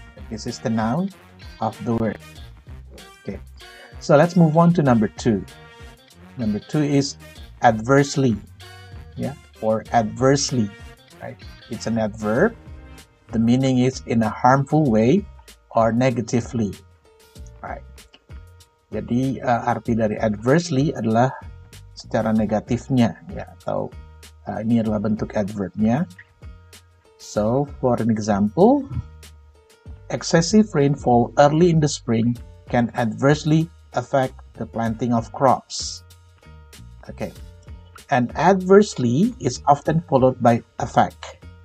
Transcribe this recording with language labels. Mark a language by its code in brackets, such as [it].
[en] This is the noun of the word. Okay, so let's move on to number two. Number two is adversely, yeah, or adversely, right? It's an adverb. The meaning is in a harmful way or negatively, right? [id] Jadi arti dari adversely adalah secara negatifnya, ya, atau ini adalah bentuk adverbnya. [en] So, for an example, excessive rainfall early in the spring can adversely affect the planting of crops. Okay, and adversely is often followed by affect.